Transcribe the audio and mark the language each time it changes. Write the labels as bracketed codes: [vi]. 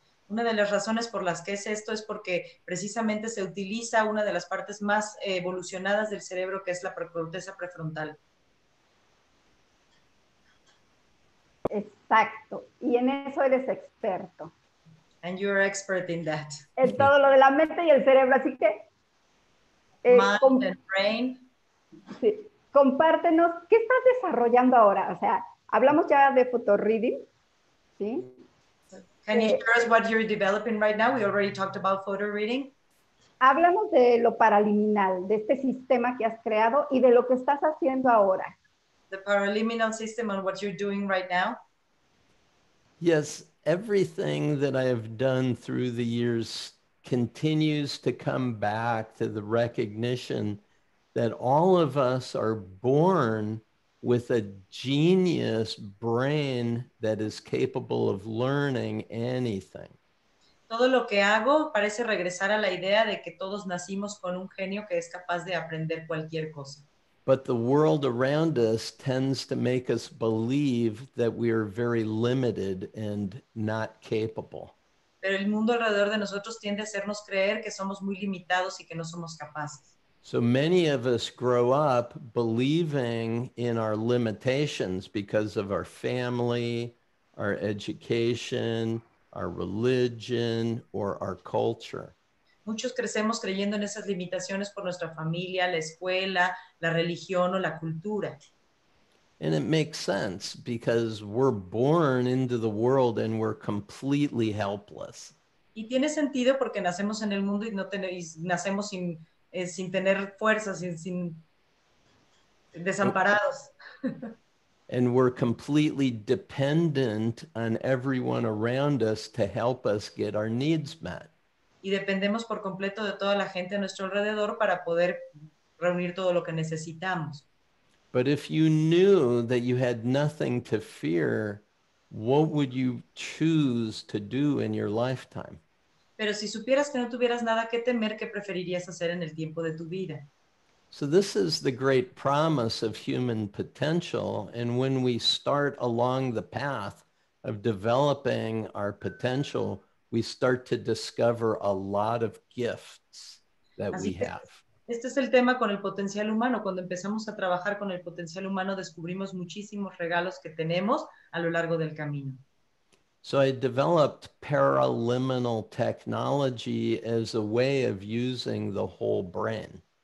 [es] Una de las razones por las que es esto es porque precisamente se utiliza una de las partes más evolucionadas del cerebro, que es la corteza prefrontal. Exacto, y en eso eres experto. [en] And you're expert in that. [es] En todo lo de la mente y el cerebro, así que... [en] Mind and brain. [es] Sí, compártenos, ¿qué estás desarrollando ahora? O sea, hablamos ya de photoreading, ¿sí? [en] Can you share us what you're developing right now? We already talked about photoreading. [es] Hablamos de lo paraliminal, de este sistema que has creado y de lo que estás haciendo ahora. [en] The paraliminal system and what you're doing right now? Yes, everything that I have done through the years continues to come back to the recognition that all of us are born with a genius brain that is capable of learning anything. [es] Todo lo que hago parece regresar a la idea de que todos nacimos con un genio que es capaz de aprender cualquier cosa. [en] But the world around us tends to make us believe that we are very limited and not capable. [es] Pero el mundo alrededor de nosotros tiende a hacernos creer que somos muy limitados y que no somos capaces. [en] So many of us grow up believing in our limitations because of our family, our education, our religion, or our culture. [es] Muchos crecemos creyendo en esas limitaciones por nuestra familia, la escuela, la religión o la cultura. [en] And it makes sense because we're born into the world and we're completely helpless. [es] Y tiene sentido porque nacemos en el mundo y nacemos sin tener fuerzas, sin desamparados. [en] And we're completely dependent on everyone around us to help us get our needs met. [es] Y dependemos por completo de toda la gente a nuestro alrededor para poder reunir todo lo que necesitamos. [en] But if you knew that you had nothing to fear, what would you choose to do in your lifetime? [es] Pero si supieras que no tuvieras nada que temer, ¿qué preferirías hacer en el tiempo de tu vida? [en] So this is the great promise of human potential, and when we start along the path of developing our potential, we start to discover a lot of gifts that [es] Así [en] we have. [es] Este es el tema con el potencial humano. Cuando empezamos a trabajar con el potencial humano, descubrimos muchísimos regalos que tenemos a lo largo del camino. [en] So I developed paraliminal technology as a way of using the whole brain.